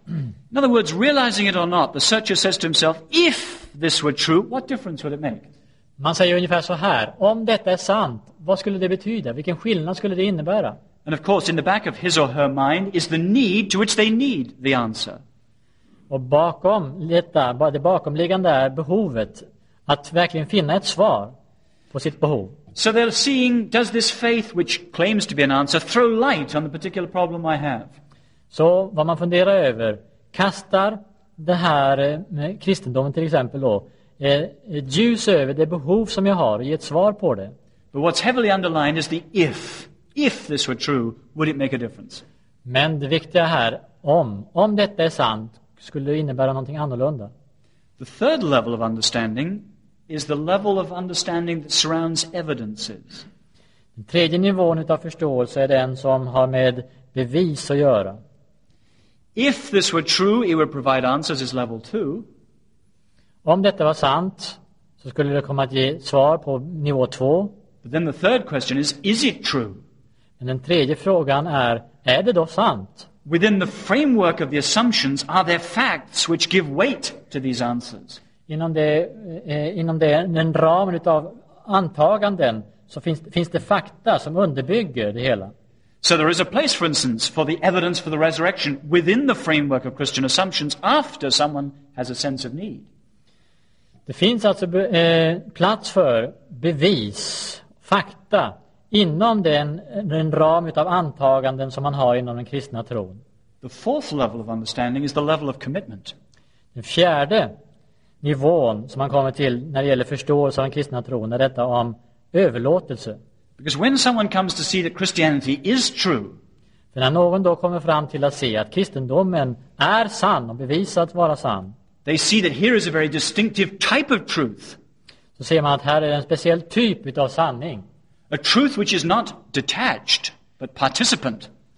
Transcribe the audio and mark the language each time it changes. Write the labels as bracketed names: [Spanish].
[English] In other words, realizing it or not, the searcher says to himself, if this were true, what difference would it make? [Swedish] Man säger ungefär så här: om detta är sant, vad skulle det betyda? Vilken skillnad skulle det innebära? [English] And of course, in the back of his or her mind is the need to which they need the answer. [Swedish] Och bakom detta, det bakomliggande är behovet att verkligen finna ett svar på sitt behov. [English] So they're seeing, does this faith which claims to be an answer throw light on the particular problem I have? [Swedish] Så vad man funderar över, kastar det här kristendomen till exempel då ljus över det behov som jag har och ger ett svar på det? [English] But what's heavily underlined is the if this were true, would it make a difference? [Swedish] Men det viktiga här, om detta är sant, skulle det innebära någonting annorlunda? [English] The third level of understanding is the level of understanding that surrounds evidences. [Swedish] Den tredje nivån utav förståelse är den som har med bevis att göra. [English] If this were true, it would provide answers is level 2. [Swedish] Om detta var sant så skulle det komma att ge svar på nivå 2. [English] But then the third question is it true? [Swedish] Men den tredje frågan är det då sant? [English] Within the framework of the assumptions, are there facts which give weight to these answers? [Swedish] Inom den ramen av antaganden så finns det fakta som underbygger det hela. [English] So there is a place, for instance, for the evidence for the resurrection within the framework of Christian assumptions after someone has a sense of need. [Swedish] Det finns alltså plats för bevis, fakta, inom den ram utav antaganden som man har inom den kristna tron. [English] The fourth level of understanding is the level of commitment. [Swedish] Den fjärde nivån som man kommer till när det gäller förståelse av den kristna tron är detta om överlåtelse. [English] Because when someone comes to see that Christianity is true, [Swedish] för när någon då kommer fram till att se att kristendomen är sann och bevisat vara sann, [English] they see that here is a very distinctive type of truth. [Swedish] Så ser man att här är en speciell typ av sanning. [English] A truth which is not detached, but participant.